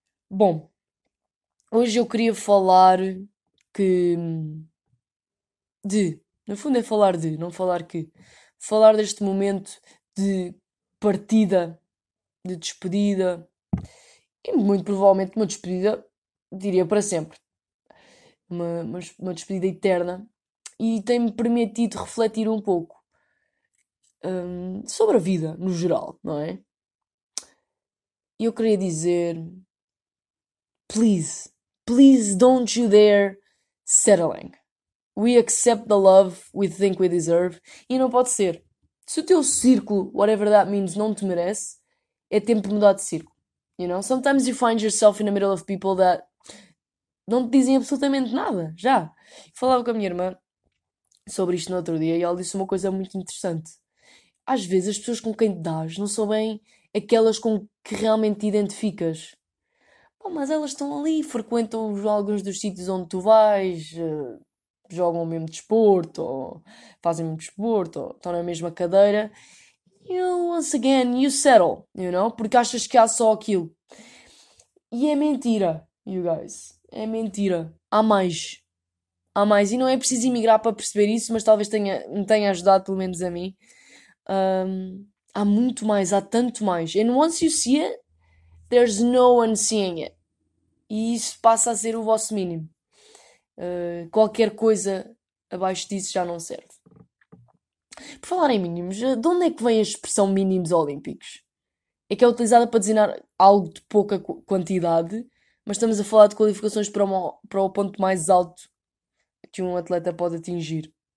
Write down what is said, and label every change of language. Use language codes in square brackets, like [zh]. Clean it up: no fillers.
[pt] Bom, hoje eu queria falar no fundo é falar de, não falar que, falar deste momento de partida, de despedida, e muito provavelmente uma despedida, diria para sempre. Uma despedida eterna e tem-me permitido refletir um pouco sobre a vida no geral, não é? E eu queria dizer: [en] please, please don't you dare settling. We accept the love we think we deserve. [pt] E não pode ser. Se o teu círculo, [en] whatever that means, [pt] não te merece, é tempo de mudar de círculo. [en] You know? Sometimes you find yourself in the middle of people that [pt] não te dizem absolutamente nada, já. Falava com a minha irmã sobre isto no outro dia e ela disse uma coisa muito interessante. Às vezes as pessoas com quem te dás não são bem aquelas com que realmente te identificas. Bom, mas elas estão ali, frequentam alguns dos sítios onde tu vais, jogam o mesmo desporto, ou fazem o mesmo desporto, ou estão na mesma cadeira. E [en] once again, you settle, you know? [pt] Porque achas que há só aquilo. E é mentira, [en] you guys. [pt] É mentira. Há mais. Há mais. E não é preciso emigrar para perceber isso, mas talvez me tenha ajudado, pelo menos a mim. Há muito mais. Há tanto mais. [en] And once you see it, there's no one seeing it. [pt] E isso passa a ser o vosso mínimo. Qualquer coisa abaixo disso já não serve. Por falar em mínimos, de onde é que vem a expressão mínimos olímpicos? É que é utilizada para designar algo de pouca quantidade. Mas estamos a falar de qualificações para o ponto mais alto que um atleta pode atingir.